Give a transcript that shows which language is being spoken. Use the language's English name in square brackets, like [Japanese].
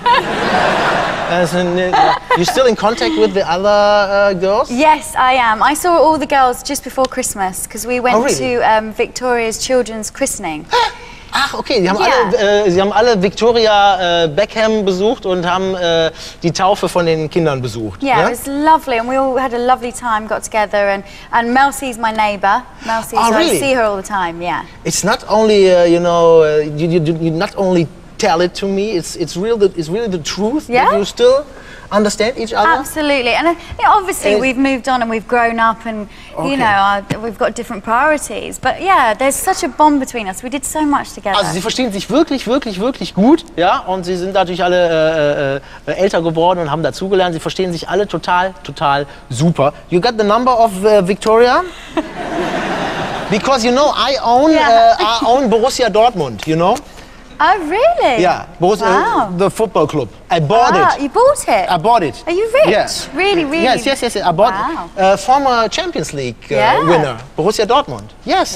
[English] You're still in contact with the other girls? Yes, I am. I saw all the girls just before Christmas because we went to Victoria's children's christening. [German] Ach, okay. Sie haben alle Victoria Beckham besucht und haben die Taufe von den Kindern besucht. [English] Yeah, yeah, it was lovely, and we all had a lovely time, got together, and Melcy's my neighbor. Melcy, oh, really? I see her all the time. Yeah. It's not only you not only tell it to me. It's really the truth. Yeah. That you still understand each other? Absolutely. And you know, obviously, and we've moved on and we've grown up and, okay. You know, we've got different priorities. But yeah, there's such a bond between us. We did so much together. [German] Also, sie verstehen sich wirklich, wirklich, wirklich gut. Ja, und sie sind natürlich alle älter geworden und haben dazugelernt. Sie verstehen sich alle total, total super. [English] You got the number of Victoria? Because, you know, I own Borussia Dortmund, you know? Oh, really? Yeah, was, wow. The football club. I bought it. You bought it? I bought it. Are you rich? Yeah. Really? Yes. I bought a former Champions League winner, Borussia Dortmund. Yes.